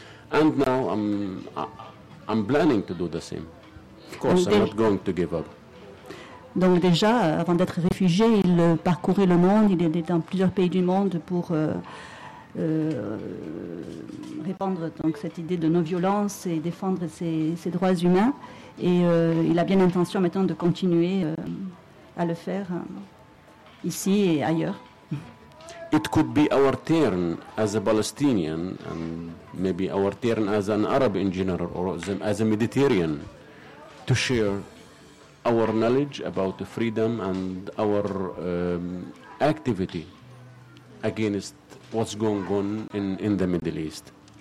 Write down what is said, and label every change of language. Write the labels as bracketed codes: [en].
[en] And now I'm planning to do the same. Of course, I'm not going to give up. [fr] Donc déjà, avant d'être réfugié, il parcourait le monde, il était dans plusieurs pays du monde pour répandre donc, cette idée de non-violence et défendre ses droits humains. Et il a bien l'intention maintenant de continuer à le faire ici et ailleurs. [en] It could be our turn as a Palestinian, and maybe our turn as an Arab in general, or as a Mediterranean. To share our knowledge about the freedom and our activity against what's going on in the Middle East.